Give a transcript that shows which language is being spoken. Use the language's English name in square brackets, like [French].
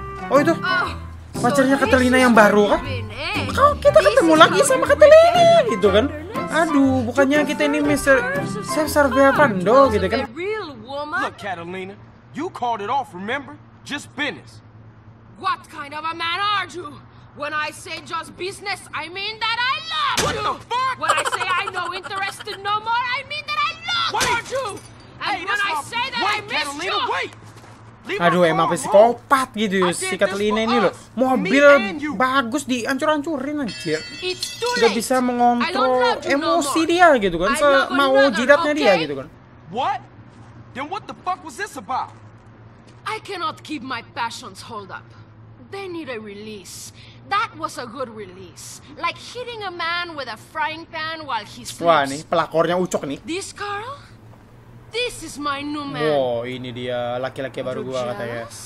[Indonesian] Oh itu, pacarnya Catalina yang baru kan? Kok kita ketemu lagi sama Catalina gitu kan? Aduh, bukannya kita ini Mr. Caesar Via Pando gitu kan? [English] Look Catalina, you called it off, remember? Just business. What kind of a man are you? When I say just business, I mean that I love you. What the fuck? When I say I no interested no more, I mean that I love you. And when I say that I miss you. [Indonesian] Aduh, emang psikopat gitu ya si Catalina ini loh. Mobil bagus dihancur-hancurin aja. Gak bisa mengontrol emosi dia gitu kan. Mau jidatnya dia gitu kan. [English] What? Then what the fuck was this about? I cannot keep my passions hold up. They need a release. That was a good release. Like hitting a man with a frying pan while he sleeps. [Indonesian] Wah, nih pelakornya Ucok nih. [English] This girl? This is my new man. [Indonesian] Wow, ini dia laki-laki baru gua katanya.